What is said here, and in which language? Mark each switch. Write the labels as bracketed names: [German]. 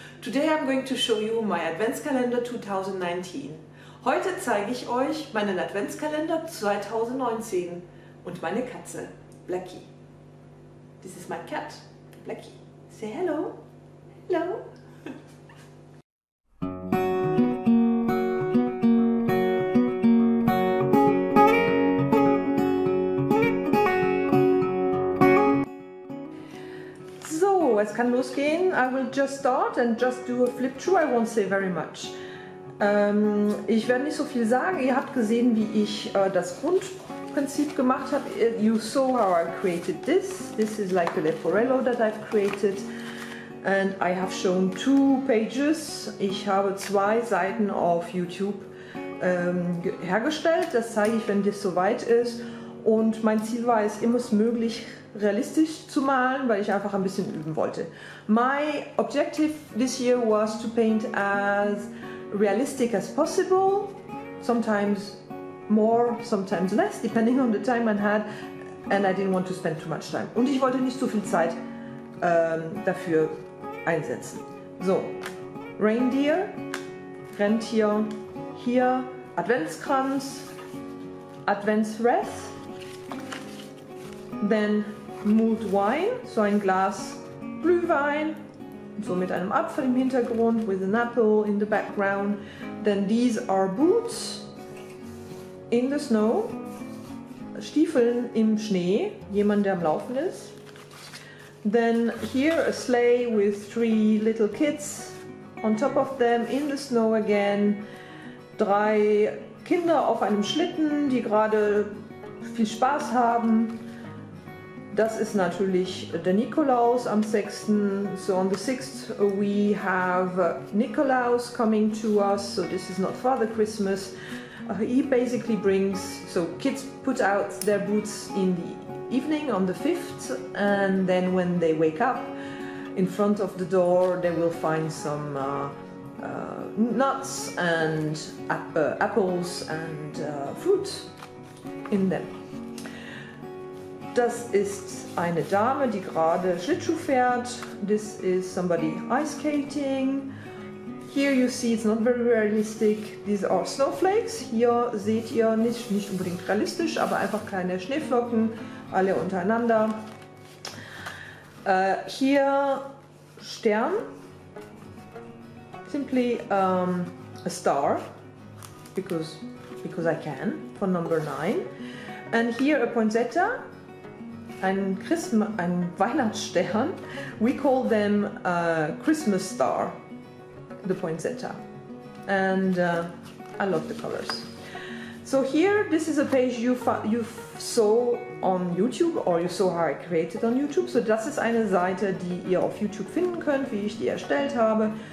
[English] Today I'm going to show you my Adventskalender 2019. [German] Heute zeige ich euch meinen Adventskalender 2019 und meine Katze, Blackie. [English] This is my cat, Blackie. Say hello. Hello. [German] Es kann losgehen. [English] I will just start and just do a flip through. I won't say very much. [German] Ich werde nicht so viel sagen. Ihr habt gesehen, wie ich das Grundprinzip gemacht habe. [English] You saw how I created this. This is like a Leporello that I've created. And I have shown two pages. [German] Ich habe zwei Seiten auf YouTube hergestellt. Das zeige ich, wenn das soweit ist. Und mein Ziel war es, immer möglich realistisch zu malen, weil ich einfach ein bisschen üben wollte. [English] My objective this year was to paint as realistic as possible, sometimes more, sometimes less, depending on the time I had, and I didn't want to spend too much time. [German] Und ich wollte nicht so viel Zeit dafür einsetzen. So, Reindeer, Rentier, hier Adventskranz, Adventswreath, [English] then Mulled Wine, [German] so ein Glas Glühwein, so mit einem Apfel im Hintergrund, [English] with an apple in the background. Then these are boots in the snow, [German] Stiefeln im Schnee, jemand der am Laufen ist. [English] Then here a sleigh with three little kids on top of them in the snow again. [German] Drei Kinder auf einem Schlitten, die gerade viel Spaß haben. Das ist natürlich der Nikolaus am 6. [English] So on the 6th we have Nikolaus coming to us. So this is not Father Christmas. He basically brings, so kids put out their boots in the evening on the 5th. And then when they wake up in front of the door, they will find some nuts and apples and fruit in them. [German] Das ist eine Dame, die gerade Schlittschuh fährt. [English] This is somebody ice skating. Here you see it's not very realistic. These are snowflakes. [German] Hier seht ihr nicht unbedingt realistisch, aber einfach kleine Schneeflocken, alle untereinander. Hier Stern. [English] Simply a star. Because I can. For number 9. And here a poinsettia. [German] Ein Weihnachtsstern. [English] We call them Christmas star, the poinsettia. And I love the colors. So here, this is a page you saw on YouTube, or you saw how I created on YouTube. [German] So das ist eine Seite, die ihr auf YouTube finden könnt, wie ich die erstellt habe.